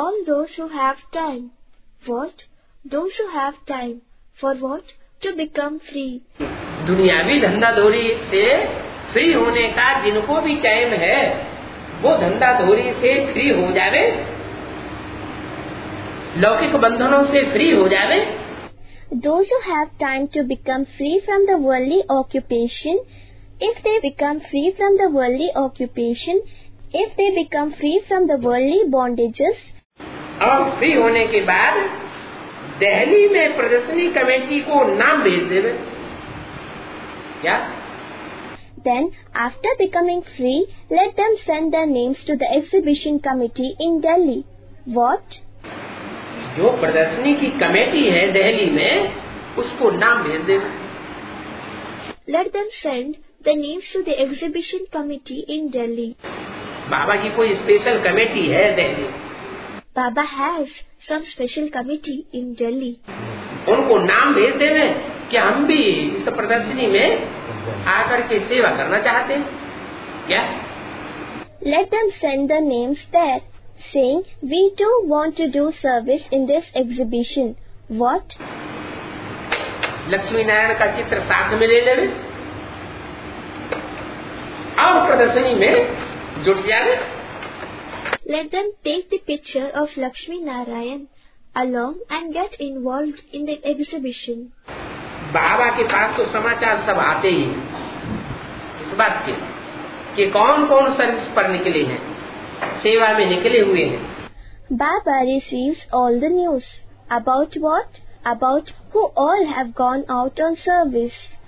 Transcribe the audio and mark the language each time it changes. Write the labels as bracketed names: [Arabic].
[English] All those who have time. What? Those who have time for what? To become free. [Hindi] दुनियावी धंधादोरी से free होने का जिनको भी टाइम है वो धंधादोरी से फ्री हो जावे, लौकिक बंधनों से फ्री हो जावे। [English] Those who have time to become free from the worldly occupation, if they become free from the worldly occupation, if they become free from the worldly bondages, [Hindi] और फ्री होने के बाद दिल्ली में प्रदर्शनी कमेटी को नाम भेज देवे क्या? [English] Then after becoming free, let them send their names to the exhibition committee in Delhi. What? [Hindi] जो प्रदर्शनी की कमेटी है दिल्ली में उसको नाम भेज देवे. [English] Let them send the names to the exhibition committee in Delhi. [Hindi] बाबा की कोई स्पेशल कमेटी है Delhi. [English] Baba has some special committee in Delhi. [Hindi] उनको नाम भेज देवे कि हम भी इस प्रदर्शनी में आकर के सेवा करना चाहते हैं. क्या? [English] Let them send the names there, saying we too want to do service in this exhibition. What? [Hindi] Lakshmi Narayan का चित्र साथ में ले लेवे और प्रदर्शनी में जुट जाए. [English] Let them take the picture of Lakshmi Narayan along and get involved in the exhibition. [Hindi] बाबा के पास तो समाचार सब आते ही इस बात के कि कौन कौन सर्विस पर निकले हैं, सेवा में निकले हुए हैं. [English] बाबा receives all the news. About what? About who all have gone out on service.